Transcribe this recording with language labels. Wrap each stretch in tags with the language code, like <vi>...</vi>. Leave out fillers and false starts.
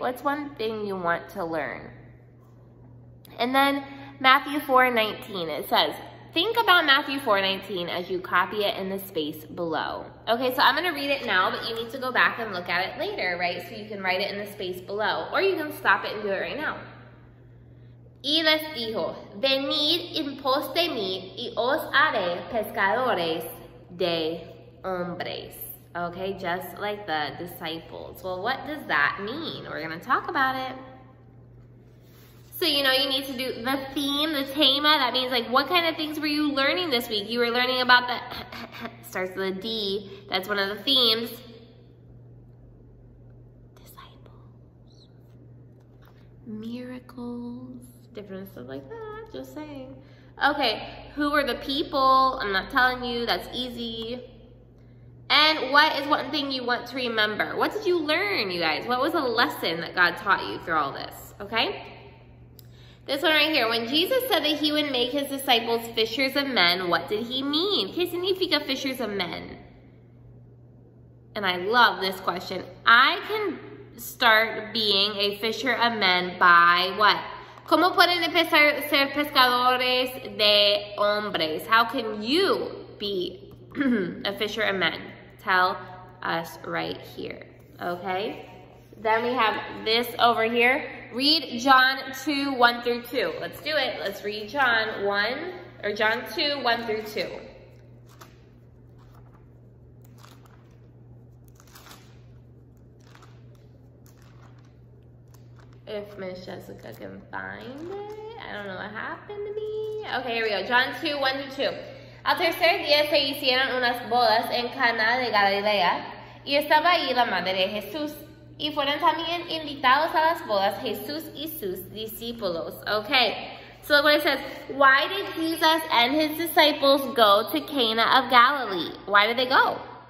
<en>What's one thing you want to learn? And then Matthew 4:19, it says, think about Matthew 4:19 as you copy it in the space below. Okay, so I'm going to read it now, but you need to go back and look at it later, right? So you can write it in the space below, or you can stop it and do it right now.</en> <es>Y les dijo, venid en pos de mí y os haré pescadores de hombres.</es> <en>Okay, just like the disciples. Well, what does that mean? We're going to talk about it. So, you know, you need to do the theme, the tema. That means, like, what kind of things were you learning this week? You were learning about the starts with a D. That's one of the themes. Disciples. Miracles. Different stuff like that. Just saying. Okay, who are the people? I'm not telling you, that's easy. And what is one thing you want to remember? What did you learn, you guys? What was a lesson that God taught you through all this? Okay? This one right here. When Jesus said that he would make his disciples fishers of men, what did he mean?</en> <es>¿Qué significa</es> <en>fishers of men? And I love this question. I can start being a fisher of men by what?</en> <es>¿Cómo pueden empezar a ser pescadores de hombres?</es> <en>How can you be a fisher of men? Tell us right here, okay? Then we have this over here. Read John 2, 1 through 2. Let's do it. Let's read John 1, or John 2, 1 through 2. If Miss Jessica can find it. I don't know what happened to me. Okay, here we go. John 2, 1 through 2.</en> <es>Al tercer día se hicieron unas bodas en Cana de Galilea, y estaba ahí la madre de Jesús. Y fueron también invitados a las bodas Jesús y sus discípulos.</es> <en>Okay, so what it says, why did Jesus and his disciples go to Cana of Galilee? Why did they go?</en>